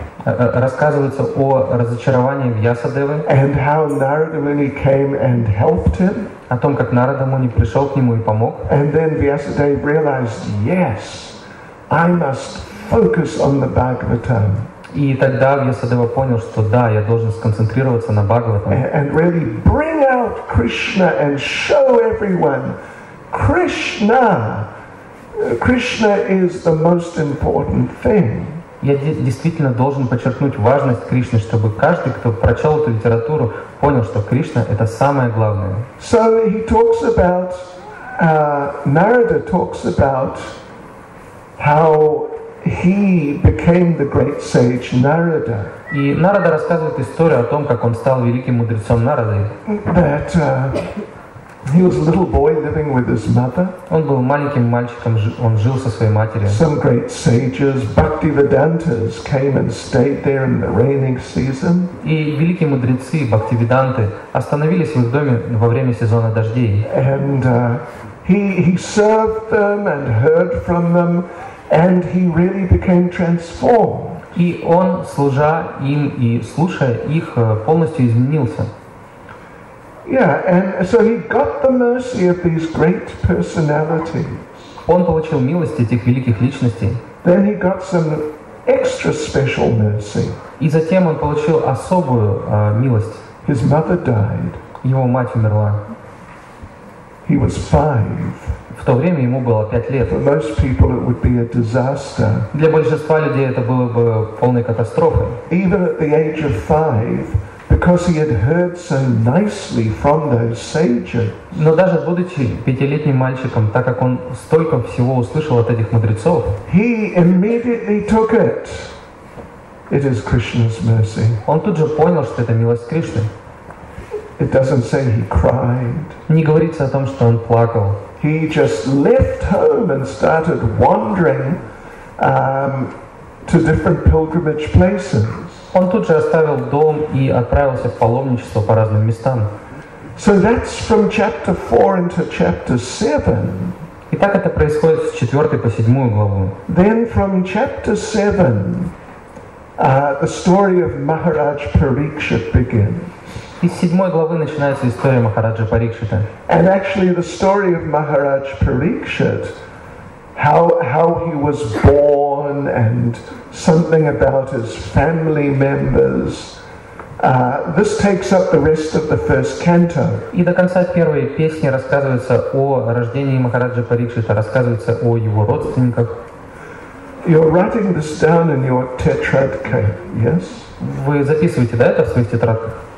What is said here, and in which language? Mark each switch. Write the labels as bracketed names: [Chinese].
[Russian] Рассказывается о разочаровании Вьясадевы. [English] And how Narada Muni came and helped him. [Russian] О том, как Нарада Муни пришел к нему и помог. [English] And then Vyasadeva realized, yes, I must focus on the Bhagavatam. [Russian] И тогда Вьясадева понял, что да, я должен сконцентрироваться на Бхагаватам. [English] And really bring out Krishna and show everyone Krishna. Krishna is the most important thing. [Russian] Я действительно должен подчеркнуть важность Кришны, чтобы каждый, кто прочел эту литературу, понял, что Кришна — это самое главное. [English] So he talks about, Narada talks about how he became the great sage Narada. [Russian] И Нарада рассказывает историю о том, как он стал великим мудрецом Нарадой. [English] That, he was a little boy living with his mother. [Russian] Он был маленьким мальчиком, он жил со своей матерью. [English] Some great sages, Bhaktivedantas, came and stayed there in the raining season. [Russian] И великие мудрецы, Бхактивиданты, остановились в их доме во время сезона дождей. [English] And he served them and heard from them, and he really became transformed. [Russian] И он, служа им и слушая их, полностью изменился. [English] Yeah, and so he got the mercy of these great personalities. [Russian] Он получил милость этих великих личностей. [English] Then he got some extra special mercy. [Russian] И затем он получил особую милость. [English] His mother died. [Russian] Его мать умерла. [English] He was 5. [Russian] В то время ему было 5 лет. [English] For most people it would be a disaster. [Russian] Для большинства людей это было бы полной катастрофой. [English] Even at the age of 5. Because he had heard so nicely from those sages. [Russian] Но даже будучи 5-летним мальчиком, так как он столько всего услышал от этих мудрецов, [English] he immediately took it. It is Krishna's mercy. [Russian] Он тут же понял, что это милость Кришны. [English] It doesn't say he cried. [Russian] Не говорится о том, что он плакал. [English] He just left home and started wandering to different pilgrimage places. [Russian] Он тут же оставил дом и отправился в паломничество по разным местам. [English] So that's from chapter 4 into chapter 7. [Russian] И так это происходит с 4 по 7 главу. [English] Then from chapter 7, the story of Maharaj Parikshit begins. [Russian] Из 7 главы начинается история Махараджа Парикшита. [English] And actually the story of Maharaj Parikshit, how he was born and something about his family members. This takes up the rest of the first canto. [Russian] И до конца первой песни рассказывается о рождении Махараджа Парикшита, рассказывается о его родственниках. [English] You're writing this down in your tetradka, yes? [Russian] Вы записываете, да, это в своих тетрадках?